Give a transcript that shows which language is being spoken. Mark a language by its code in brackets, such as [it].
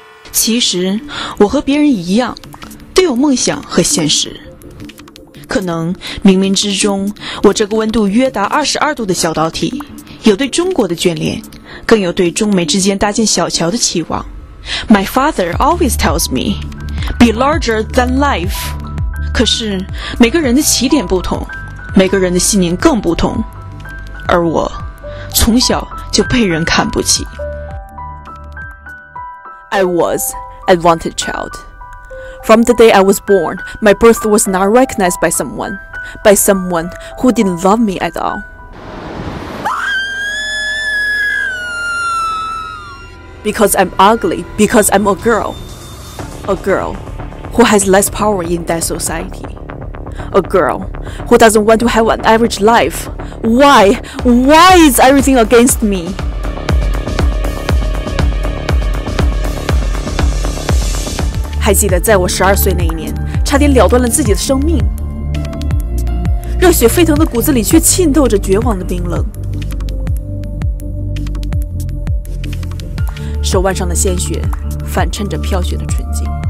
[zh] 其实我和别人一样，都有梦想和现实。可能冥冥之中，我这个温度约达22度的小岛体，有对中国的眷恋，更有对中美之间搭建小桥的期望。 [en] My father always tells me, be larger than life. [zh] 可是每个人的起点不同，每个人的信念更不同，而我从小就被人看不起。 [en] I was an unwanted child. From the day I was born, my birth was not recognized by someone who didn't love me at all. because I'm ugly, because I'm a girl. A girl who has less power in that society. A girl who doesn't want to have an average life. Why? Why is everything against me? [zh] 还记得在我12岁那一年，差点了断了自己的生命。热血沸腾的骨子里却浸透着绝望的冰冷。手腕上的鲜血反衬着飘雪的纯净。